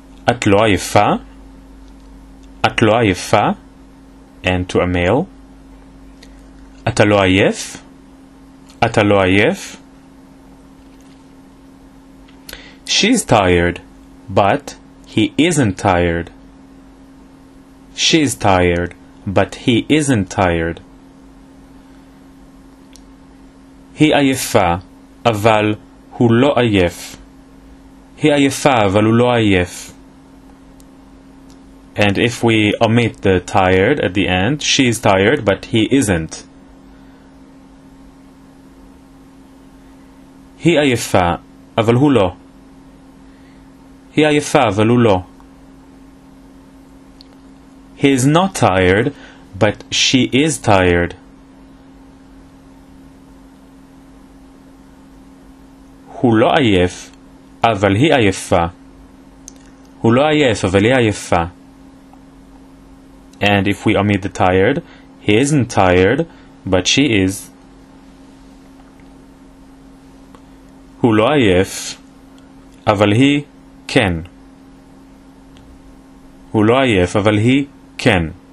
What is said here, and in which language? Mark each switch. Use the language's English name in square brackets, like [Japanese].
[Hebrew] את לא עייפה? את לא עייפה? [English] And to a male? [Hebrew] אתה לא עייף? אתה לא עייף? [English] She's tired, but he isn't tired. She's tired, but he isn't tired. [Hebrew] היא עייפה, אבל הוא לא עייף. היא עייפה, אבל הוא לא עייף. [English] And if we omit the tired at the end, she's tired, but he isn't. [Hebrew] היא עייפה, אבל הוא לא. היא עייפה, אבל הוא לא. [English] He's not tired, but she is tired. [Hebrew] הוא לא עייף, אבל היא עייפה. הוא לא עייף, אבל היא עייפה. [English] And if we omit the tired, he isn't tired, but she is. [Hebrew] הוא לא עייף, אבל היא כן. הוא לא עייף, אבל היא כן.